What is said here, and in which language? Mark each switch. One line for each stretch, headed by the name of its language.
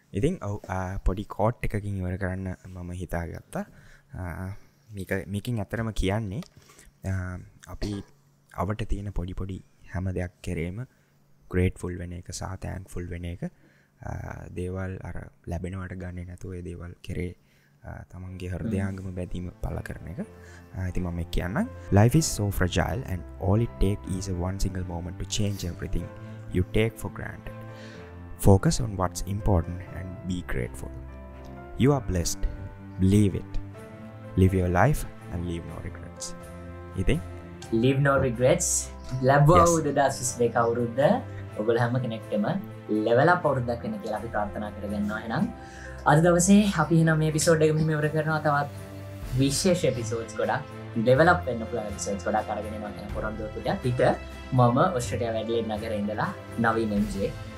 Sinhala: ඉතින් ඔව් පොඩි කෝට් එකකින් ඉවර කරන්න මම හිතාගත්තා මේක මේකෙන් ඇත්තටම කියන්නේ අපි අපිට තියෙන පොඩි පොඩි හැම දෙයක් කෙරේම grateful වෙන එක සහ thankful වෙන එක දේවල් අර ලැබෙනවට ගන්නේ නැතුව ඒ දේවල් කෙරේ තමන්ගේ හෘදයාංගම බැඳීම පළ කරන එක. ඉතින් මම කියන්නම්.
English: Life is so fragile and all it take is a one single moment to change everything you take for granted. Focus on what's important and be grateful. You are blessed. Believe it. Live your life and leave no regrets.
Sinhala: ඉතින්
English: leave no regrets.
Sinhala: ලැබවවු 2022 අවුරුද්ද ඔගොල්ලෝ හැම කෙනෙක්ටම level up අවුරුද්දක් වෙන කියලා අපි ප්‍රාර්ථනා කරගන්නවා එහෙනම් අද දවසේ අපි එහෙනම් මේ එපිසෝඩ් එක මෙහෙම ඉවර කරනවා. තවත් විශේෂ එපිසෝඩ්ස් ගොඩක් ඩෙවලොප් වෙන්න පුළුවන් එපිසෝඩ්ස් ගොඩක් අරගෙන මම යන පොරොන්දු වෙලා පිට මම ඔස්ට්‍රේලියා වැඩිලෙන් නගරේ ඉඳලා නවීන් එම්ජේ